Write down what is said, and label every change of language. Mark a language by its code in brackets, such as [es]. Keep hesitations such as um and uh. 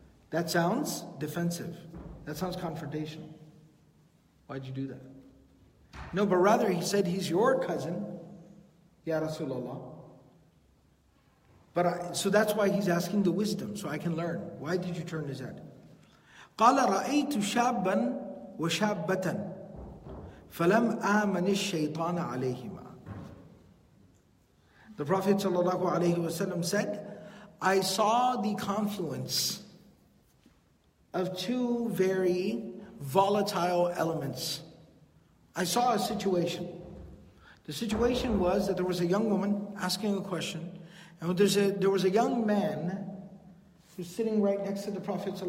[en] That sounds defensive. That sounds confrontational. Why'd you do that? No, but rather he said he's your cousin, Ya Rasulullah. But I, so that's why he's asking the wisdom, so I can learn. Why did you turn his head? [ar] قال رأيت شابا وشابة فلم آمن الشيطان عليهما. [en] The Prophet ﷺ said, I saw the confluence of two very volatile elements. I saw a situation. The situation was that there was a young woman asking a question, and a, there was a young man who's sitting right next to the Prophet.